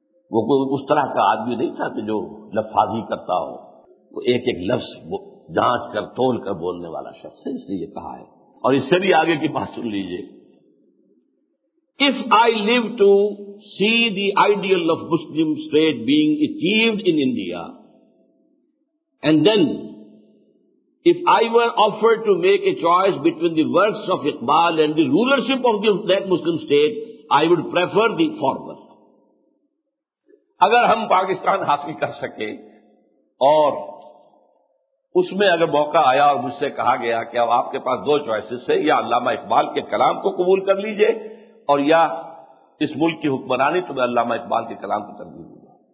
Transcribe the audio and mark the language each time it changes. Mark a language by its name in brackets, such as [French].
[Urdu] وہ کوئی اس طرح کا آدمی نہیں تھا کہ جو لفاظی کرتا ہو، وہ ایک ایک لفظ جانچ کر تول کر بولنے والا شخص ہے، اس لیے کہا ہے. اور اس سے بھی آگے کی بات سن لیجیے، [English] If I live to see the ideal of Muslim state being achieved in India, and then if I were offered to make a choice between the works of Iqbal and the rulership of that Muslim state, I would prefer the former. [Urdu] اگر ہم پاکستان حاصل کر سکے اور اس میں اگر موقع آیا اور مجھ سے کہا گیا کہ اب آپ کے پاس دو چوائسز ہیں، یا علامہ اقبال کے کلام کو قبول کر لیجئے اور یا اس ملک کی حکمرانی تو میں علامہ اقبال کے کلام کو ترجیح دوں گا.